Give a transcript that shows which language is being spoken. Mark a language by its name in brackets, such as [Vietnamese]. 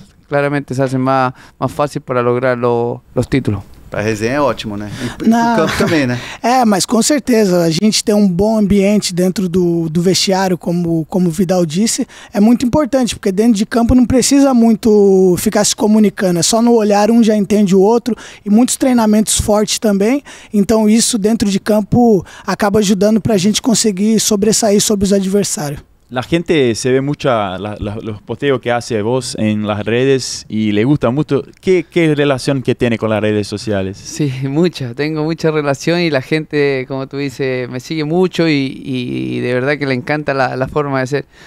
[Spanish] Claramente se hace más fácil para lograr los títulos. [Portuguese] Para a resenha é ótimo, né? No campo também, né? Mas com certeza, a gente tem um bom ambiente dentro do vestiário, como o Vidal disse, é muito importante, porque dentro de campo não precisa muito ficar se comunicando, é só no olhar, um já entende o outro, e muitos treinamentos fortes também, então isso dentro de campo acaba ajudando para a gente conseguir sobressair sobre os adversários. [Spanish] La gente se ve mucho los posteos que hace vos en las redes y le gusta mucho. ¿Qué relación que tiene con las redes sociales? Sí, mucha. Tengo mucha relación y la gente, como tú dices, me sigue mucho y de verdad que le encanta la forma de ser.